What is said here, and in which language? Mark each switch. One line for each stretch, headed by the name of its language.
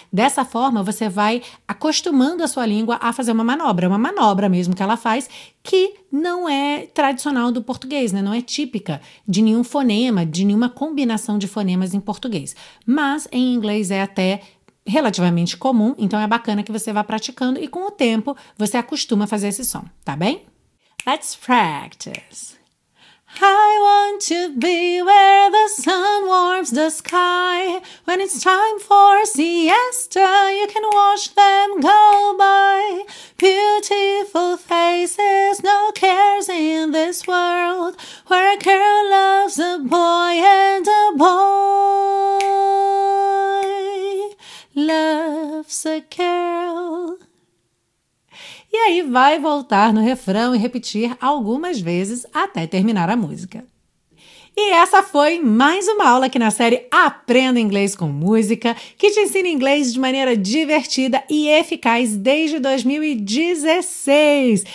Portuguese: Dessa forma, você vai acostumando a sua língua a fazer uma manobra. É uma manobra mesmo que ela faz, que não é tradicional do português, né? Não é típica de nenhum fonema, de nenhuma combinação de fonemas em português. Mas, em inglês, é até relativamente comum, então é bacana que você vá praticando e com o tempo você acostuma a fazer esse som, tá bem?
English: Let's practice. I want to be where the sun warms the sky. When it's time for siesta, you can watch them go by. Beautiful faces, no cares in this world. Where a girl loves a boy and a boy loves a girl.
Portuguese: E aí vai voltar no refrão e repetir algumas vezes até terminar a música. E essa foi mais uma aula aqui na série Aprenda Inglês com Música, que te ensina inglês de maneira divertida e eficaz desde 2016.